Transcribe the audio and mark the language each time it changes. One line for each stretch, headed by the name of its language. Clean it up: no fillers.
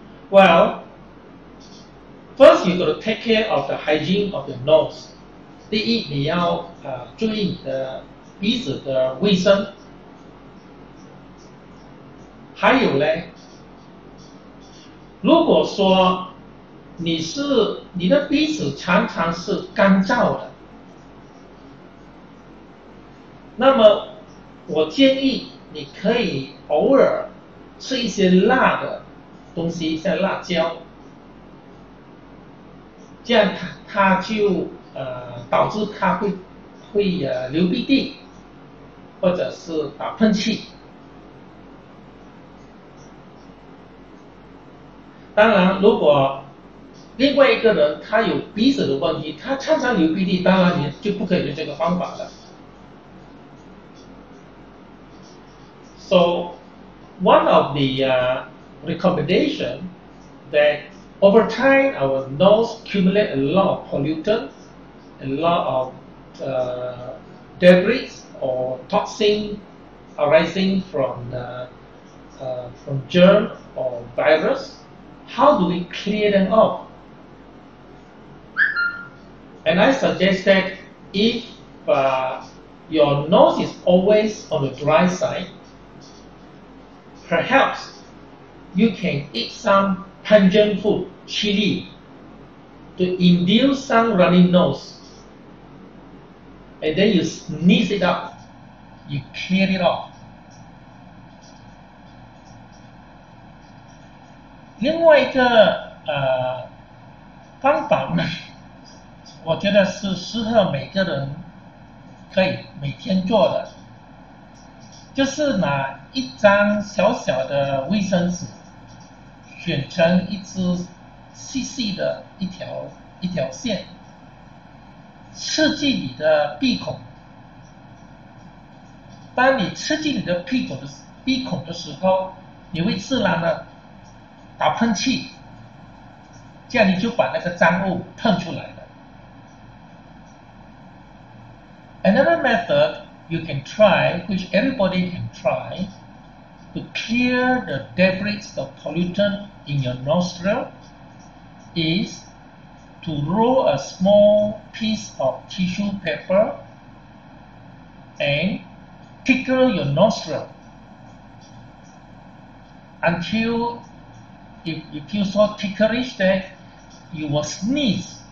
English: Well, first you got to take care of the hygiene of your nose.
Chinese: 第一，你要注意你的鼻子的卫生。还有呢，如果说你的鼻子常常是干燥的，那么我建议你可以偶尔吃一些辣的东西，像辣椒，这样它就导致它会流鼻涕，或者是打喷嚏。当然，如果另外一个人他有鼻子的问题，他常常流鼻涕，当然你就不可以用这个方法了。
English: So, one of the recommendation that over time our nose accumulate a lot of pollutant, a lot of debris or toxin arising from germ or virus. How do we clear them off? And I suggest that if your nose is always on the dry side, perhaps. You can eat some pungent food, chili, to induce some running nose. And then you sneeze it up, you clear it off.
Chinese: 另外一个方法呢，我觉得是适合每个人可以每天做的，就是拿一张小小的卫生纸，卷成一支细细的一条线，刺激你的鼻孔。当你刺激你的鼻孔的时候，你会自然的打喷嚏，这样你就把那个脏物喷出来了。
English: Another method you can try, which everybody can try, to clear the debris of pollutant in your nostril, is to roll a small piece of tissue paper and tickle your nostril until you feel so ticklish that you will sneeze.